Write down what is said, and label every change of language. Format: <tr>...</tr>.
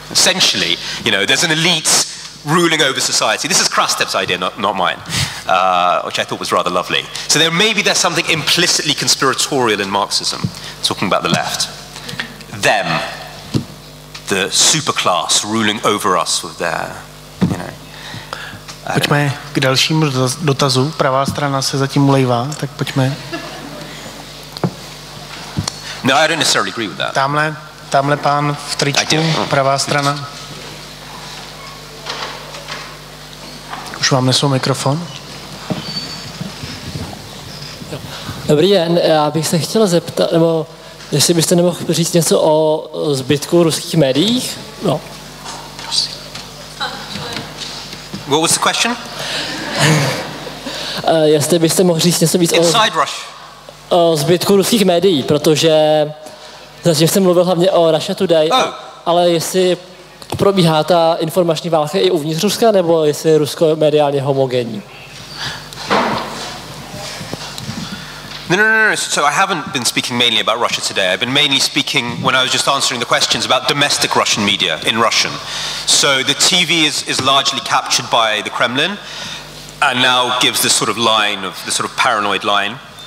<en>Essentially, you know, there's an elite ruling over society. This is Krastev's idea, not mine, which I thought was rather lovely. So maybe there's something implicitly conspiratorial in Marxism, talking about the left. Them, the superclass ruling over us with their, you know.</en> <cs>Pojďme k dalšímu dotazu. Pravá strana se zatím ulejvá, tak pojďme.</cs> <en>No, I don't necessarily agree with that.</en> <cs>Tamhle pán v tričku, pravá strana. Už vám nesou mikrofon. Dobrý den, já bych se chtěl zeptat, nebo jestli byste nemohl říct něco o zbytku ruských médiích? No.</cs> <en>What was the question?</en> <cs>Jestli byste mohl říct něco víc o zbytku ruských médií, protože zatím jsem mluvil hlavně o Russia Today, ale jestli probíhá ta informační válka i uvnitř Ruska, nebo jestli je Rusko mediálně homogenní? No.</cs> <en>So I haven't been speaking mainly about Russia Today. I've been mainly speaking, when I was just answering the questions, about domestic Russian media in Russian. So the TV is largely captured by the Kremlin and now gives this sort of line, of the sort of paranoid line.</en>